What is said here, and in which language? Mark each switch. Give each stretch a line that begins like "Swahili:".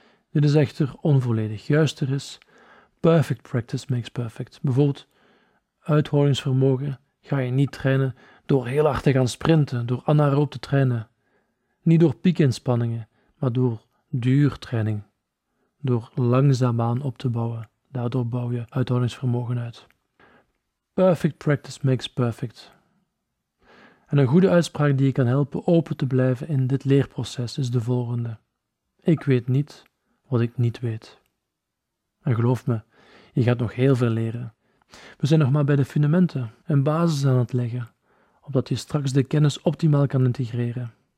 Dutch: Dit is echter onvolledig. Juister is, perfect practice makes perfect. Bijvoorbeeld, uithoudingsvermogen ga je niet trainen door heel hard te gaan sprinten, door anaeroop te trainen. Niet door piekinspanningen, maar door duurtraining. Door langzaamaan op te bouwen. Daardoor bouw je uithoudingsvermogen uit.
English: Perfect practice makes perfect.
Dutch: En een goede uitspraak die je kan helpen open te blijven in dit leerproces is de volgende. Ik weet niet wat ik niet weet. En geloof me, je gaat nog heel veel leren. We zijn nog maar bij de fundamenten, een basis aan het leggen, opdat je straks de kennis optimaal kan integreren.